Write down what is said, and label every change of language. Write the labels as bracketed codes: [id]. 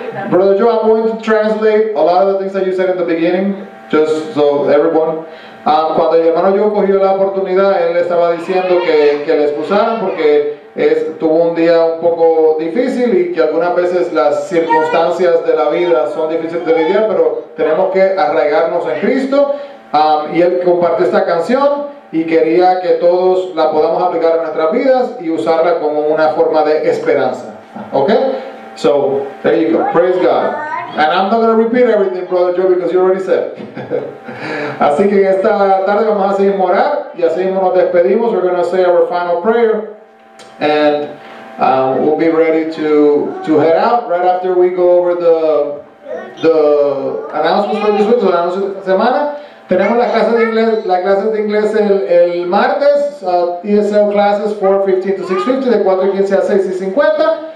[en] Brother Joe, I'm going to translate a lot of the things that you said in the beginning, just so everyone. [es] Cuando el hermano Joe cogió la oportunidad, él le estaba diciendo que le excusaran porque tuvo un día un poco difícil y que algunas veces las circunstancias de la vida son difíciles de lidiar, pero tenemos que arraigarnos en Cristo. Y él compartió esta canción y quería que todos la podamos aplicar en nuestras vidas y usarla como una forma de esperanza. [en] Okay? So, there you go. Praise God. And I'm not going to repeat everything, Brother Joe, because you already said. [es] Así que esta tarde vamos a seguir orar y así mismo nos despedimos. [en] We're going to say our final prayer. And we'll be ready to head out right after we go over the announcements for this week, so the announcements of the semana. [es] Tenemos las clases de inglés el martes, [en] ESL classes 4:15 to 6:50, [es] de 4:15 a 6:50.